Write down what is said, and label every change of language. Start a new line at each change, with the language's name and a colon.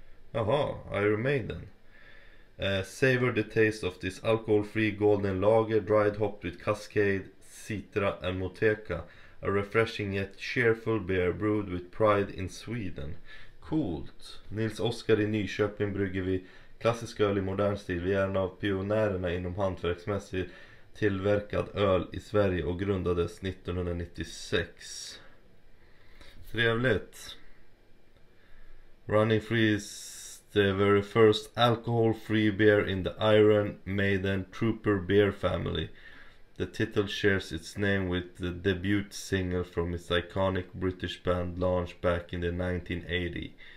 English: Jaha, Iron Maiden. Savour the taste of this alcohol-free golden lager, dried hopped with Cascade, Citra and Motueka. A refreshing yet cheerful beer brewed with pride in Sweden.
Swedish: Coolt. Nils Oskar i Nyköping brygger vi klassisk öl i modern stil. Vi är en av pionjärerna inom hantverksmässig tillverkad öl i Sverige och grundades 1996. Trevligt.
English: Running Free is the very first alcohol-free beer in the Iron Maiden Trooper beer family. The title shares its name with the debut single from its iconic British band launched back in the 1980.